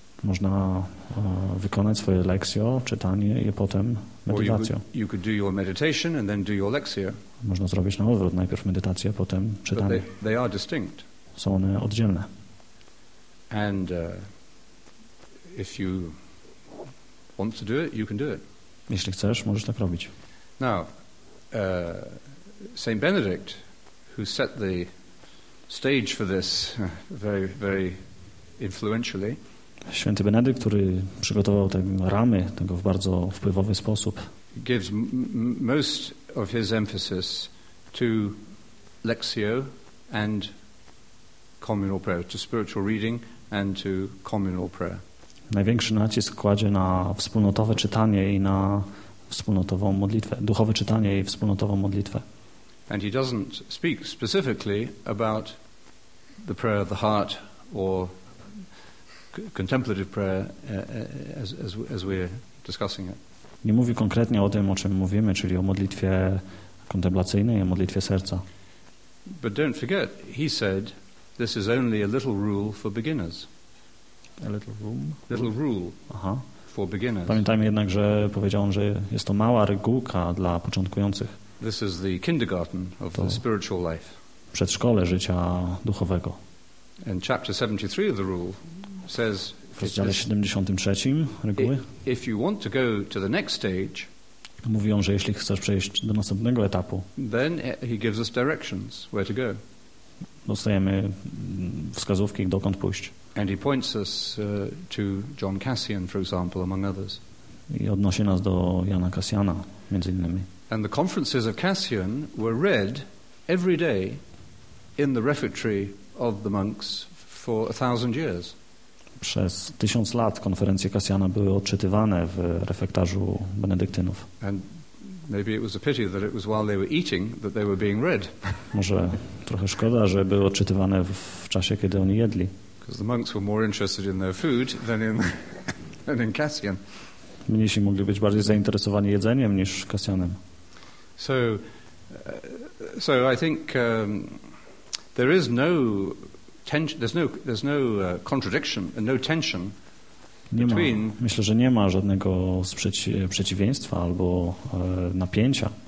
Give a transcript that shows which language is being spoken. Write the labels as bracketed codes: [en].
[pl] Można wykonać swoje lekcjo, czytanie i potem medytację. [en] You could do your meditation and then do your lectio. [pl] Można zrobić na odwrót, najpierw medytację, potem czytanie. [en] But they are distinct. [pl] Są one oddzielne. [en] And if you want to do it, you can do it. [pl] Jeśli chcesz, możesz tak robić. [en] Now, Saint Benedict, who set the stage for this very, very influentially. [pl] Święty Benedykt, który przygotował te ramy tego w bardzo wpływowy sposób. [en] Gives most of his emphasis to lectio and communal prayer, to spiritual reading and to communal prayer. [pl] Największy nacisk kładzie na wspólnotowe czytanie i na wspólnotową modlitwę, duchowe czytanie i wspólnotową modlitwę. [en] And he doesn't speak specifically about the prayer of the heart or contemplative prayer as we're discussing it. [pl] Nie mówi konkretnie o tym, o czym mówimy, czyli o modlitwie kontemplacyjnej, o modlitwie serca. [en] But don't forget, he said, this is only a little rule for beginners. A little room? Little rule. Aha. For beginners. [pl] Pamiętajmy jednak, że powiedział on, że jest to mała regułka dla początkujących. [en] This is the kindergarten of the spiritual life. [pl] Przedszkole życia duchowego. [en] And chapter 73 of the rule says, [pl] w rozdziale 73 reguły, [en] if you want to go to the next stage, [pl] mówi on, że jeśli chcesz przejść do następnego etapu, [en] then he gives us directions where to go. [pl] Dostajemy wskazówki, dokąd pójść. [en] And he points us to John Cassian, for example, among others. [pl] I odnosi nas do Jana Cassiana, między innymi. [en] And the conferences of Cassian were read every day in the refectory of the monks for 1,000 years. [pl] Przez 1,000 lat konferencje Cassiana były odczytywane w refektarzu benedyktynów. [en] And maybe it was a pity that it was while they were eating that they were being read. [pl] Może trochę szkoda, że były odczytywane w czasie, kiedy oni jedli. [en] Because the monks were more interested in their food than in than in Cassian. [pl] Mnisi mogli być bardziej zainteresowani jedzeniem niż Cassianem. [en] So I think there is no tension, there's no contradiction and no tension between. [pl] Myślę, że nie ma żadnego przeciwieństwa albo napięcia